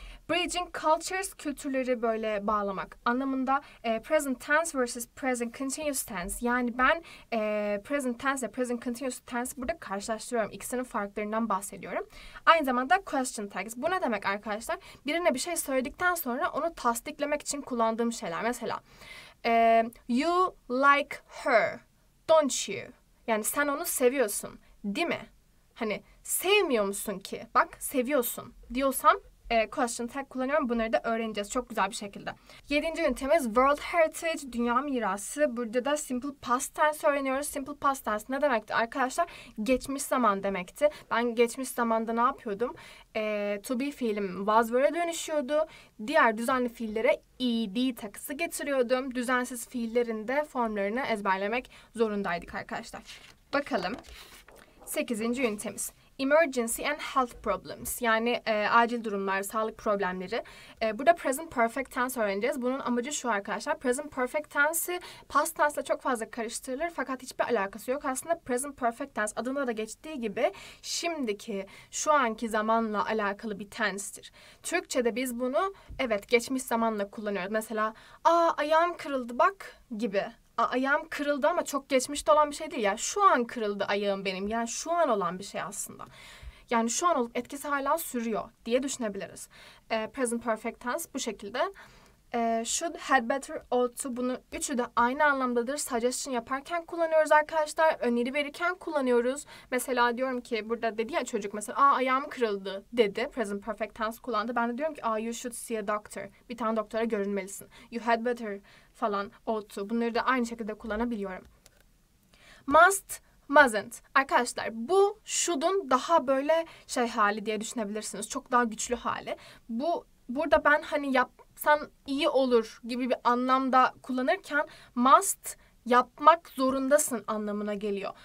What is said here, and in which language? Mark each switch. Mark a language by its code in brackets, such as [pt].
[tr] Bridging cultures, kültürleri böyle bağlamak anlamında present tense versus present continuous tense. Yani ben present tense ile present continuous tense burada karşılaştırıyorum. İkisinin farklarından bahsediyorum. Aynı zamanda question tags. Bu ne demek arkadaşlar? Birine bir şey söyledikten sonra onu tasdiklemek için kullandığım şeyler. Mesela [en] you like her, don't you? [tr] Yani sen onu seviyorsun, değil mi? Hani sevmiyor musun ki? Bak, seviyorsun diyorsam question tag kullanıyorum. Bunları da öğreneceğiz çok güzel bir şekilde. Yedinci ünitemiz World Heritage, Dünya Mirası. Burada da Simple Past Tense öğreniyoruz. Simple Past Tense ne demekti arkadaşlar? Geçmiş zaman demekti. Ben geçmiş zamanda ne yapıyordum? To be fiilim was were'e dönüşüyordu. Diğer düzenli fiillere ed takısı getiriyordum. Düzensiz fiillerin de formlarını ezberlemek zorundaydık arkadaşlar. Bakalım. Sekizinci ünitemiz. [en] Emergency and health problems. [tr] Yani acil durumlar, sağlık problemleri. Burada present perfect tense öğreneceğiz. Bunun amacı şu arkadaşlar. Present perfect tense'i past tense'le çok fazla karıştırılır. Fakat hiçbir alakası yok. Aslında present perfect tense adında da geçtiği gibi şimdiki, şu anki zamanla alakalı bir tense'tir. Türkçe'de biz bunu evet geçmiş zamanla kullanıyoruz. Mesela ayağım kırıldı bak gibi. Ayağım kırıldı ama çok geçmişte olan bir şey değil. Yani şu an kırıldı ayağım benim. Yani şu an olan bir şey aslında. Yani şu an olup etkisi hala sürüyor diye düşünebiliriz. Present perfect tense bu şekilde. [en] Should, had better, ought to. [tr] Bunu üçü de aynı anlamdadır. Suggestion yaparken kullanıyoruz arkadaşlar. Öneri verirken kullanıyoruz. Mesela diyorum ki burada dedi ya çocuk mesela ayağım kırıldı dedi. Present perfect tense kullandı. Ben de diyorum ki [en] you should see a doctor. [tr] Bir tane doktora görünmelisin. [en] You had better [tr] falan, [en] ought to. [tr] Bunları da aynı şekilde kullanabiliyorum. Must, mustn't. Arkadaşlar bu should'un daha böyle şey hali diye düşünebilirsiniz. Çok daha güçlü hali. Bu burada ben hani yapsan iyi olur gibi bir anlamda kullanırken must yapmak zorundasın anlamına geliyor.